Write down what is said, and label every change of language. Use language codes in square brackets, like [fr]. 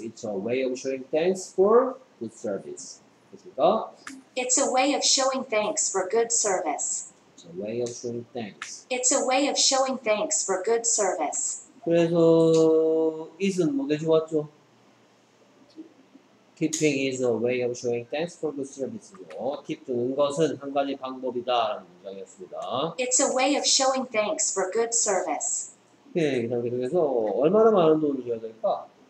[en] It's a way of showing thanks for good service. [ko] 그러니까 [en] It's a way of showing thanks for good service. It's a way of showing thanks. It's a way of showing thanks for good service. [ko] 그래서 is는 뭐가 좋았죠? [en] Keeping is a way of showing thanks for good service. [ko] Keep 두는 것은 한 가지 방법이다라는 문장이었습니다. [en] It's a way of showing thanks for good service. [ko] 네, 그 다음 계속해서 얼마나 많은 돈을 줘야 될까?